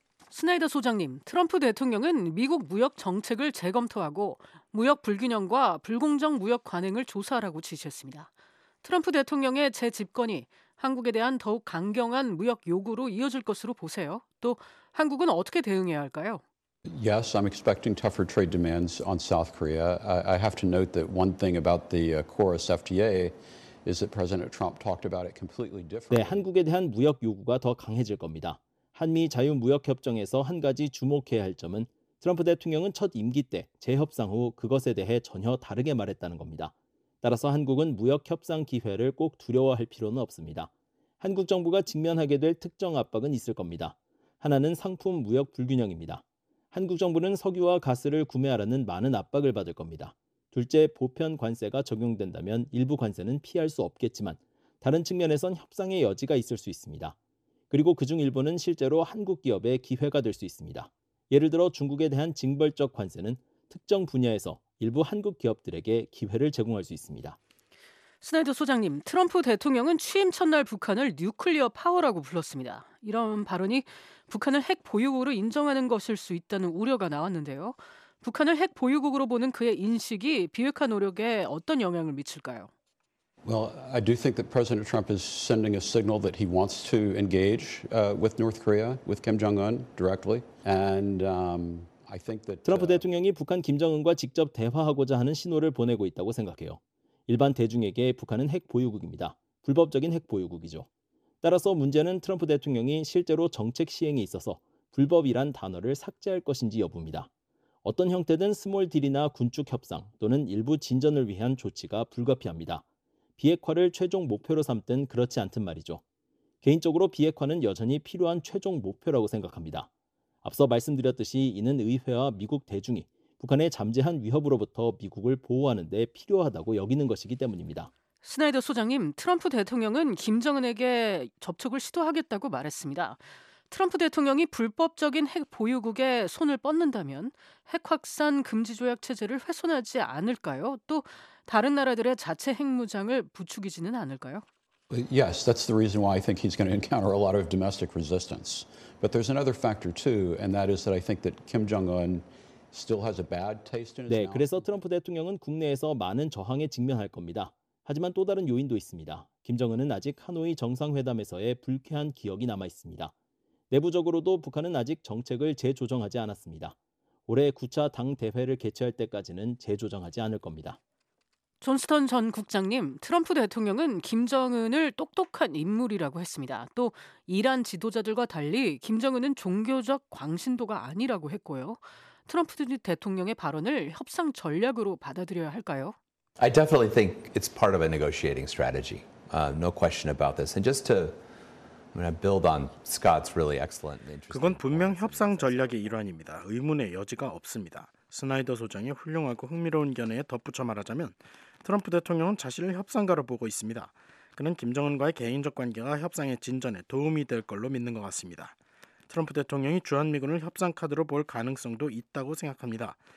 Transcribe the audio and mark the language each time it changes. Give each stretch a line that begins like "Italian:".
Korean: 스나이더 소장님, 트럼프 대통령은 미국 무역 정책을 재검토하고 무역 불균형과 불공정 무역 관행을 조사하라고 지시했습니다. 트럼프 대통령의 재집권이 한국에 대한 더욱 강경한 무역 요구로 이어질 것으로 보세요. 또 한국은 어떻게 대응해야 할까요?
English: Yes, I'm expecting tougher trade demands on South Korea. I have to note that one thing about the CORUS FTA is that President Trump talked about it completely differently.
Korean: 네, 한국에 대한 무역 요구가 더 강해질 겁니다. 한미 자유무역협정에서 한 가지 주목해야 할 점은 트럼프 대통령은 첫 임기 때 재협상 후 그것에 대해 전혀 다르게 말했다는 겁니다. 따라서 한국은 무역협상 기회를 꼭 두려워할 필요는 없습니다. 한국 정부가 직면하게 될 특정 압박은 있을 겁니다. 하나는 상품 무역 불균형입니다. 한국 정부는 석유와 가스를 구매하라는 많은 압박을 받을 겁니다. 둘째, 보편 관세가 적용된다면 일부 관세는 피할 수 없겠지만 다른 측면에선 협상의 여지가 있을 수 있습니다. 그리고 그중 일부는 실제로 한국 기업의 기회가 될 수 있습니다. 예를 들어 중국에 대한 징벌적 관세는 특정 분야에서 일부 한국 기업들에게 기회를 제공할 수 있습니다. 스나이더 소장님, 트럼프 대통령은 취임 첫날 북한을 뉴클리어 파워라고 불렀습니다. 이런 발언이 북한을 핵 보유국으로 인정하는 것일 수 있다는 우려가 나왔는데요. 북한을 핵 보유국으로 보는 그의 인식이 비핵화 노력에 어떤 영향을 미칠까요?
English: Well, I do think that President Trump is sending a signal that he wants to engage with North Korea, with Kim Jong-un directly. And I think that
Korean: 트럼프 대통령이 북한 김정은과 직접 대화하고자 하는 신호를 보내고 있다고 생각해요. 일반 대중에게 북한은 핵 보유국입니다. 불법적인 핵 보유국이죠. 따라서 문제는 트럼프 대통령이 실제로 정책 시행에 있어서 불법이란 단어를 삭제할 것인지 여부입니다. 어떤 형태든 스몰 딜이나 군축 협상 또는 일부 진전을 위한 조치가 불가피합니다. 비핵화를 최종 목표로 삼든 그렇지 않든 말이죠. 개인적으로 비핵화는 여전히 필요한 최종 목표라고 생각합니다. 앞서 말씀드렸듯이 이는 의회와 미국 대중이 북한의 잠재한 위협으로부터 미국을 보호하는 데 필요하다고 여기는 것이기 때문입니다. 스나이더 소장님, 트럼프 대통령은 김정은에게 접촉을 시도하겠다고 말했습니다. 트럼프 대통령이 불법적인 핵 보유국에 손을 뻗는다면 핵 확산 금지 조약 체제를 훼손하지 않을까요? 또 다른 나라들의 자체 핵무장을 부추기지는 않을까요?
English: Yes, that's the reason why I think he's going to encounter a lot of domestic resistance. But there's another factor too, and that is that I think that Kim Jong-un still has a bad taste in his
Korean: 네,
English: mouth.
Korean: 그래서 트럼프 대통령은 국내에서 많은 저항에 직면할 겁니다. 하지만 또 다른 요인도 있습니다. 김정은은 아직 하노이 정상회담에서의 불쾌한 기억이 남아 있습니다. 내부적으로도 북한은 아직 정책을 재조정하지 않았습니다. 올해 9차 당대회를 개최할 때까지는 재조정하지 않을 겁니다. 존스턴 전 국장님, 트럼프 대통령은 김정은을 똑똑한 인물이라고 했습니다. 또 이란 지도자들과 달리 김정은은 종교적 광신도가 아니라고 했고요. 트럼프 대통령의 발언을 협상 전략으로 받아들여야 할까요?
English: I definitely think it's part of a negotiating strategy. No question about this. And just to build on Scott's really excellent.
Korean: 그건 분명 협상 전략의 일환입니다. 의문의 여지가 없습니다. 스나이더 소장의 훌륭하고 흥미로운 견해에 덧붙여 말하자면 트럼프 대통령은 자신을 협상가로 보고 있습니다. 그는 김정은과의 개인적 관계가 협상의 진전에 도움이 될 걸로 믿는 것 같습니다. 트럼프 대통령이 주한미군을 협상 카드로 볼 가능성도 있다고 생각합니다.